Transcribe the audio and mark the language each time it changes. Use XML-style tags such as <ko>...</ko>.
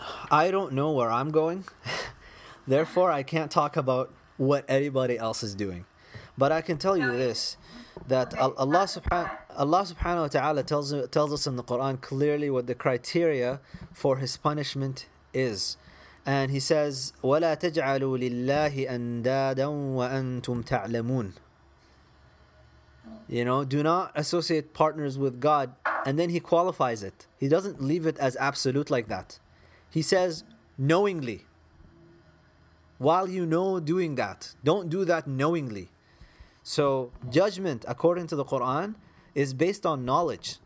<en>I don't know where I'm going. Therefore, I can't talk about what anybody else is doing. But I can tell you this, that Allah subhanahu wa ta'ala tells us in the Quran clearly what the criteria for his punishment is. And he says,</en> <ar>وَلَا تَجْعَلُوا لِلَّهِ أَنْدَادًا وَأَنْتُمْ تَعْلَمُونَ.</ar> <en>You know, do not associate partners with God. And then he qualifies it. He doesn't leave it as absolute like that. He says, knowingly. While you know doing that, don't do that knowingly. So judgment, according to the Quran, is based on knowledge.</en>